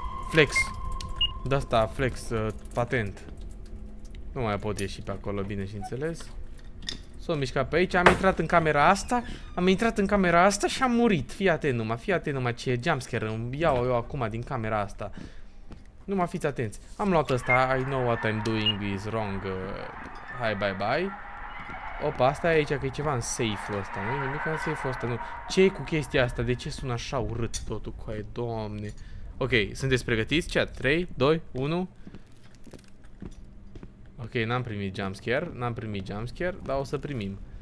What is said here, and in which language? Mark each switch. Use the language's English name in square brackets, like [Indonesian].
[Romanian] Flex. De asta, flex, patent. Nu mai pot ieși pe acolo, bine și înțeles. S-o mișca pe aici, am intrat în camera asta. Am intrat în camera asta și am murit. Fii atent numai, fii atent numai ce jumpscare îmi iau eu acum din camera asta. Numai fiți atenți. Am luat ăsta, [English] I know what I'm doing is wrong. Hi, bye, bye. [Romanian] Opa, asta e aici, că e ceva în safe-ul ăsta, nu? Nu e în safe-ul ăsta, nu. Ce e cu chestia asta? De ce sună așa urât totul, coaie, doamne? Ok, sunteți pregătiți, chat? 3, 2, 1... Ok, n-am primit jumpscare, n-am primit jumpscare, dar o să primim.